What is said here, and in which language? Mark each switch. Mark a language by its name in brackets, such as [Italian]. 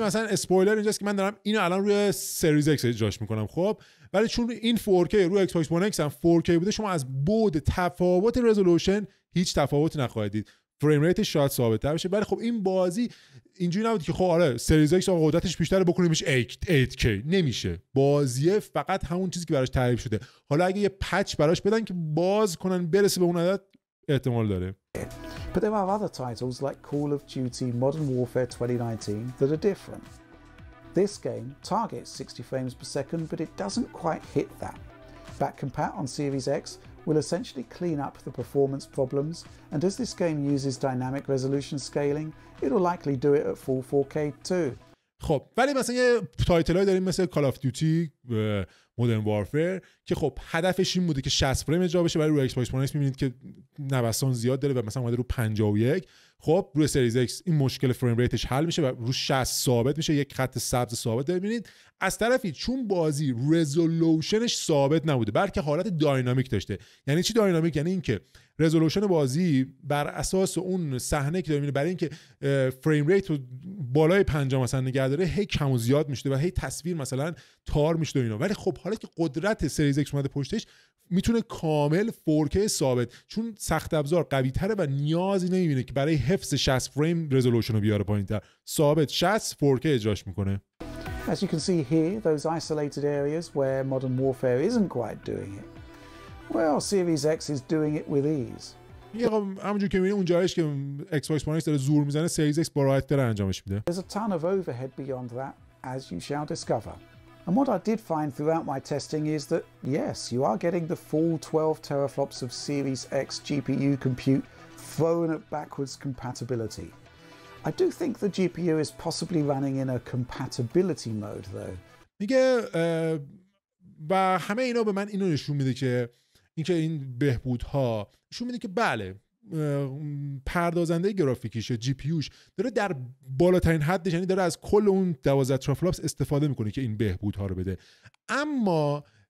[Persian] مثلا اسپویلر اینجاست که من دارم اینو الان روی سریز ایکس اجراش میکنم، خب ولی چون این 4K روی ایکس باکس وان ایکس هم 4K بوده، شما از بود تفاوت رزولوشن هیچ تفاوتی نخواهید دید، فریم ریتش شاید ثابت تر بشه، ولی خب این بازی اینجوری نبود که خب آره سریز ایکس قدرتش بیشتره بکنیمش 8K، نمیشه، بازیه فقط همون چیزی که براش تعریف شده، حالا اگه یه پچ براش بدن که باز کنن برسه به اون عدد احتمال داره. [English] But there are other titles like Call of Duty Modern Warfare 2019 that are different. This game targets 60 frames per second but it doesn't quite hit that. Back compat on Series X will essentially clean up the performance problems, and as this game uses dynamic resolution scaling, it'll likely do it at full 4K too. [Persian] خب ولی مثلا یه تایتلای داریم مثل کال آف دیوتی مودرن وارفر که خب هدفش این بوده که 60 فریم اجرا بشه، ولی روی ایکس باکس وان ایکس می‌بینید که نوسان زیاد داره و مثلا اومده رو 51، خب روی سریز ایکس این مشکل فریم ریتش حل میشه و روی 60 ثابت میشه، یک خط سبز ثابت داره می‌بینید. از طرفی چون بازی رزولوشنش ثابت نبوده بلکه حالت داینامیک داشته، یعنی چی داینامیک؟ یعنی اینکه رزولوشن بازی بر اساس اون صحنه که داره می‌بینه برای اینکه فریم ریت رو بالای 50 مثلا نگه داره هی کم و زیاد میشده و هی تصویر مثلا تار میشده اینا، ولی خب حالا که قدرت سریز ایکس اومده پشتش میتونه کامل 4K ثابت، چون سخت ابزار قوی تره و نیازی نمیبینه که برای حفظ 60 فریم رزولوشن رو بیاره پایین تر، ثابت 60 4K اجراش میکنه. [English] As you can see here, those isolated areas where Modern Warfare isn't quite doing it. Well, Series X is doing it with ease. [Persian] یه خب همونجور که میبینی اونجایش که Xbox One X داره زور میزنه، Series X با راحت داره انجامش میده. [English] There's a ton of overhead beyond that, as you shall discover. And what I did find throughout my testing is that, yes, you are getting the full 12 teraflops of Series X GPU compute thrown at backwards compatibility. I do think the GPU is possibly running in a compatibility mode, though. [Persian] میگه و همه اینا به من اینو نشون میده که این بهبودها نشون میده که بله پردازنده گرافیکیش GPUش داره در بالاترین حدش، یعنی داره از کل اون 12 تراflops استفاده میکنه که این بهبودها رو بده، اما